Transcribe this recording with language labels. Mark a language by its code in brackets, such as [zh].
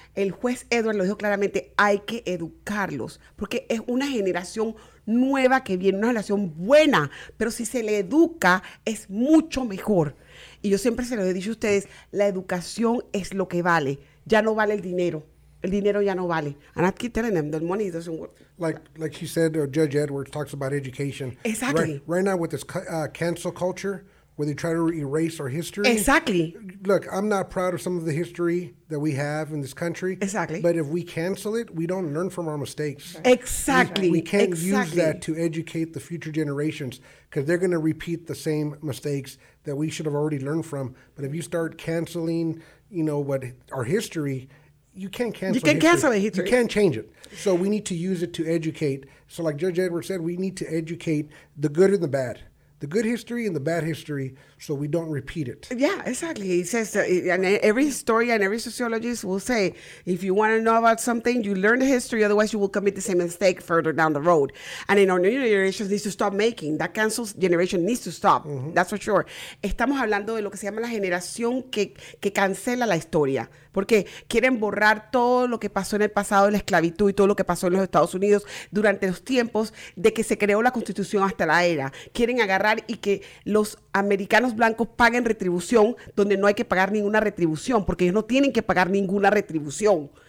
[es] El juez Edward lo dijo claramente, hay que educarlos porque es una generación nueva que viene, una generación buena, pero si se le educa es mucho mejor. Y yo siempre se lo he dicho a ustedes, la educación es lo que vale. Ya no vale el dinero. El dinero ya no vale. [en] And I keep telling them, the money doesn't work. Like she said, Judge Edwards talks about education. Exactly. Right now with this cancel culture, where they try to erase our history. Exactly. Look, I'm not proud of some of the history that we have in this country. Exactly. But if we cancel it, we don't learn from our mistakes. Exactly. We can't use that to educate the future generations, because they're going to repeat the same mistakes that we should have already learned from. But if you start canceling, you know, what our history, you can't cancel history. You can't change it. So we need to use it to educate. So like Judge Edwards said, we need to educate the good and the bad. The good history and the bad history, so we don't repeat it. Yeah, exactly. He says, and every historian, every sociologist will say, if you want to know about something, you learn the history, otherwise you will commit the same mistake further down the road. And in our new generation needs to stop making. That cancels generation needs to stop. Mm-hmm. That's for sure. [es] Estamos hablando de lo que se llama la generación que cancela la historia. Porque quieren borrar todo lo que pasó en el pasado, la esclavitud y todo lo que pasó en los Estados Unidos durante los tiempos de que se creó la Constitución hasta la era. Quieren agarrar y que los americanos blancos paguen retribución donde no hay que pagar ninguna retribución, porque ellos no tienen que pagar ninguna retribución.